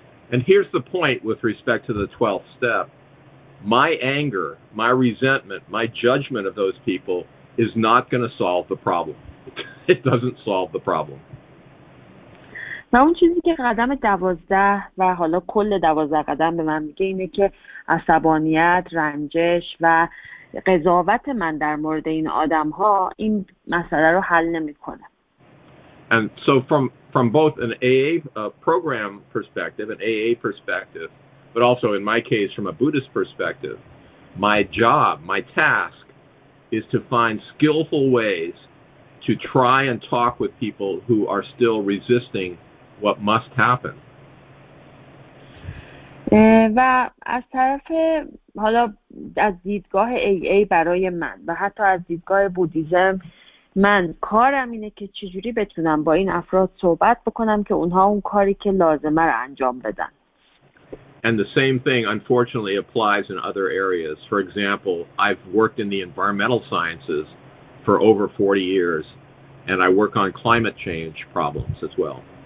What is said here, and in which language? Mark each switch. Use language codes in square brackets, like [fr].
[en] And here's the point with respect to the 12th step My anger, my resentment, my judgment of those people is not going to solve the problem. It doesn't solve the problem. [fa] و اون چیزی که قدم 12 و حالا کل 12 قدم به من میگه اینه که عصبانیت، رنجش و قضاوت من در مورد این آدم ها این مسئله رو حل نمی کنه. [en] And so from both an AA program perspective, an AA perspective, but also in my case from a Buddhist perspective, my job, my task is to find skillful ways to try and talk with people who are still resisting what must happen. [fa] و از طرف حالا از دیدگاه AA برای من و حتی از دیدگاه بودیزم من کارم اینه که چجوری بتونم با این افراد صحبت بکنم که اونها اون کاری که لازمه رو انجام بدن. [en] And the same thing, unfortunately, applies in other areas. For example, I've worked in the environmental sciences for over 40 years, and I work on climate change problems as well.